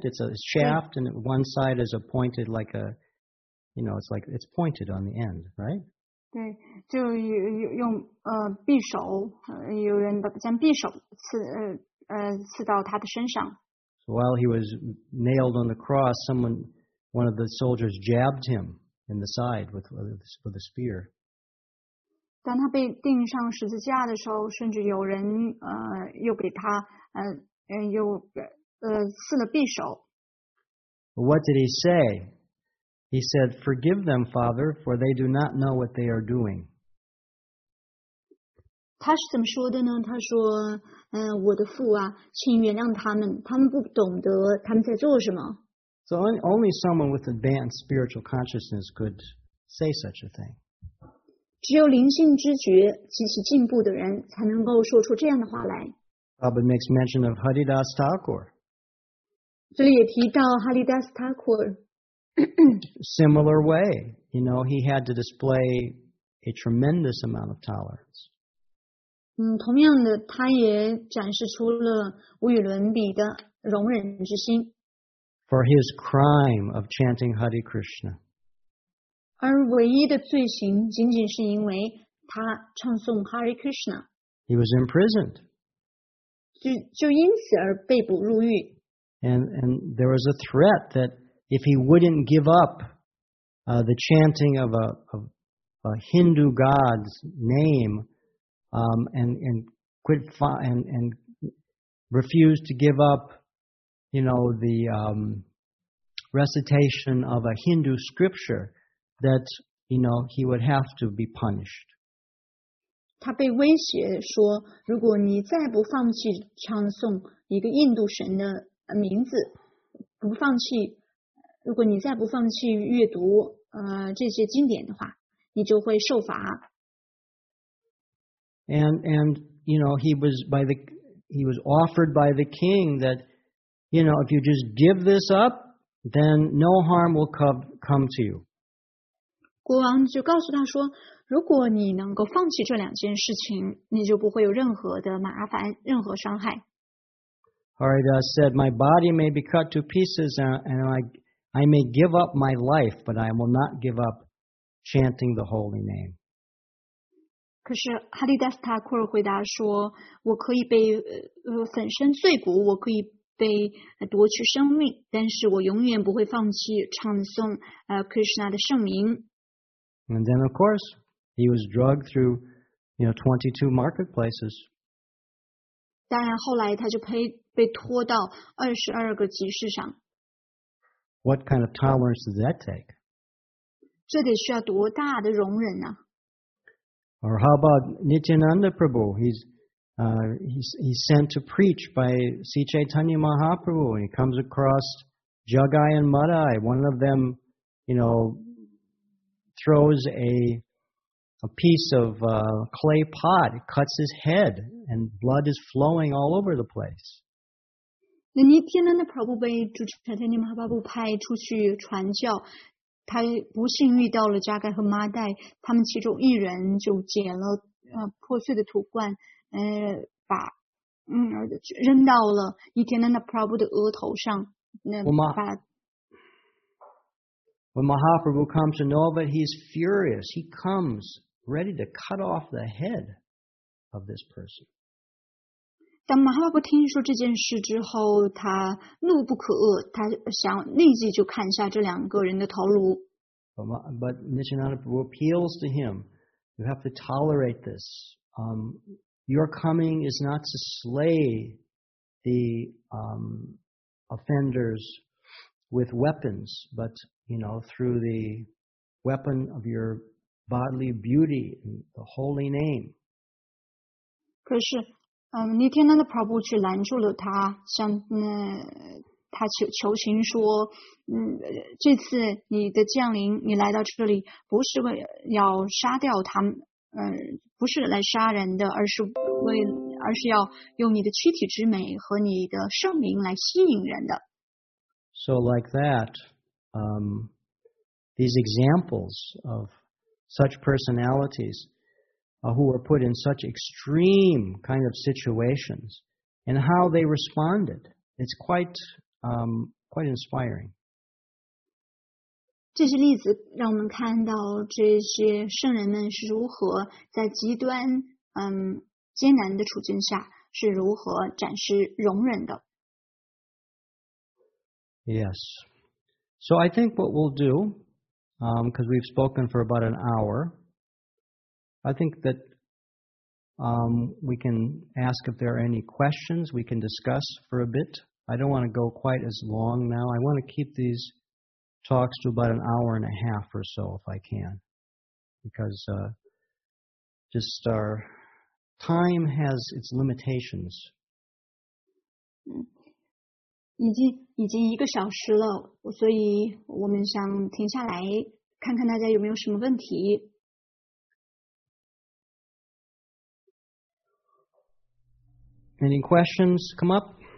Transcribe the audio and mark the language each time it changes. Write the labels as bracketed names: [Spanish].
[English] It's a shaft, and one side is a pointed, like a. You know, it's like it's pointed on the end, right? [Chinese] 对，就用匕首，有人将匕首刺到他的身上。 [English] So while he was nailed on the cross, someone. One of the soldiers jabbed him in the side with a spear. [Chinese] 当他被钉上十字架的时候，甚至有人又给他又刺了匕首。 [English] What did he say? He said, "Forgive them, Father, for they do not know what they are doing." [Chinese] 他是怎么说的呢？他说，我的父啊，请原谅他们，他们不懂得他们在做什么。 [English] So only someone with advanced spiritual consciousness could say such a thing. [Chinese] 只有灵性知觉及其进步的人才能够说出这样的话来。 [English] Prabhupada makes mention of Haridas Thakur. [Chinese] 这里也提到 Haridas Thakur. [English] Similar way, you know, he had to display a tremendous amount of tolerance. [Chinese] 同样的，他也展示出了无与伦比的容忍之心。 [English] For his crime of chanting Hare Krishna. [Chinese] 而唯一的罪行仅仅是因为他唱诵 Hare Krishna. [English] He was imprisoned. [Chinese] 就因此而被捕入狱。 [English] And there was a threat that if he wouldn't give up the chanting of a Hindu god's name and refused to give up you know, the recitation of a Hindu scripture that, you know, he would have to be punished. [Chinese] 他被威胁说，如果你再不放弃唱诵一个印度神的名字，不放弃，如果你再不放弃阅读这些经典的话，你就会受罚。 [English] And you know, he was offered by the king that,You know, if you just give this up, then no harm will come to you. [Chinese] 国王就告诉他说，如果你能够放弃这两件事情，你就不会有任何的麻烦，任何伤害。 [English] Haridas said, "My body may be cut to pieces, and I may give up my life, but I will not give up chanting the holy name." [Chinese] 可是哈利达斯塔库尔回答说，我可以被粉身碎骨，我可以。被夺取生命，但是我永远不会放弃唱诵Krishna 的圣名。 [English] And then, of course, he was drugged through, you know, 22 marketplaces. [Chinese] 当然后来他就 被拖到22个集市上。 [English] What kind of tolerance does that take? [Chinese] 这得需要多大的容忍啊。 [English] Or how about Nityananda Prabhu? He's sent to preach by Sri Chaitanya Mahaprabhu, and he comes across Jagai and Madai. One of them, you know, throws a piece of clay pot, cuts his head, and blood is flowing all over the place. [Chinese] 那尼天恩的普布被主持人尼玛哈巴布派出去传教，他不幸遇到了加盖和马代，他们其中一人就捡了破碎的土罐，把扔到了尼天恩的普布的额头上，那把。 [English] When Mahaprabhu comes to know of it, he's furious. He comes ready to cut off the head of this person. [Chinese] 当马哈布听说这件事之后，他怒不可遏，他想立即就砍下这两个人的头颅。 [English] But Nityananda Prabhu appeals to him, "You have to tolerate this. Your coming is not to slay the offenders with weapons, but." You know, through the weapon of your bodily beauty and the holy name. [Chinese] 可是，尼天恩的普布却拦住了他，像他求情说，这次你的降临，你来到这里，不是为要杀掉他们，不是来杀人的，而是要用你的躯体之美和你的圣名来吸引人的。 [English] So like that. These examples of such personalities who were put in such extreme kind of situations and how they responded. It's quite inspiring. [Chinese] 这些例子让我们看到这些圣人们是如何在极端艰难的处境下是如何展示容忍的。 [English] Yes. So I think what we'll do, because we've spoken for about an hour, I think that we can ask if there are any questions we can discuss for a bit. I don't want to go quite as long now. I want to keep these talks to about an hour and a half or so if I can, because just our time has its limitations. [Chinese] 已经一个小时了，所以我们想停下来看看大家有没有什么问题。 [English] Any questions come up?